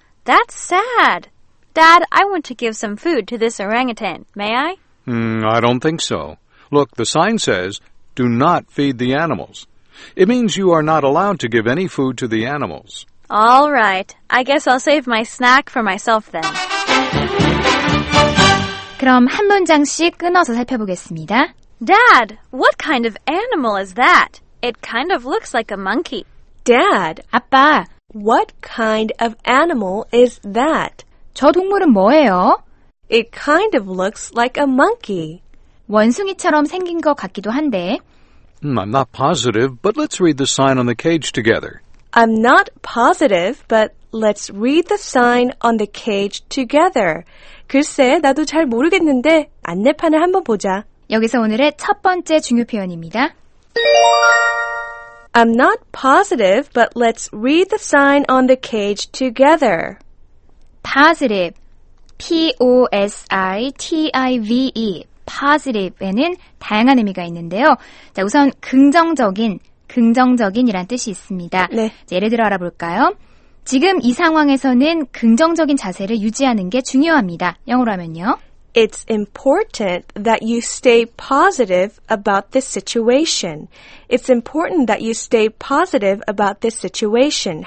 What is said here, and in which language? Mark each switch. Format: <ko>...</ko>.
<en>That's sad. Dad, I want to give some food to this orangutan. May I? I don't think so. Look, the sign says, Do not feed the animals. It means you are not allowed to give any food to the animals. All right. I guess I'll save my snack for myself then.</en> <ko>그럼 한 문장씩 끊어서 살펴보겠습니다.</ko> <en>Dad, what kind of animal is that? It kind of looks like a monkey. Dad,</en> <ko>아빠,</ko> <en>what kind of animal is that?</en> <ko>저 동물은 뭐예요?</ko> <en>It kind of looks like a monkey.</en> <ko>원숭이처럼 생긴 것 같기도 한데...</ko> <en>I'm not positive, but let's read the sign on the cage together. I'm not positive, but let's read the sign on the cage together.</en> <ko>글쎄, 나도 잘 모르겠는데 안내판을 한번 보자. 여기서 오늘의 첫 번째 중요 표현입니다.</ko> <en>I'm not positive, but let's read the sign on the cage together. Positive. P-O-S-I-T-I-V-E.</en> <ko>positive에는 다양한 의미가 있는데요. 자, 우선 긍정적인, 긍정적인이란 뜻이 있습니다. 네. 자, 예를 들어 알아볼까요? 지금 이 상황에서는 긍정적인 자세를 유지하는 게 중요합니다. 영어로 하면요.</ko> <en>It's important that you stay positive about this situation. It's important that you stay positive about this situation.</en>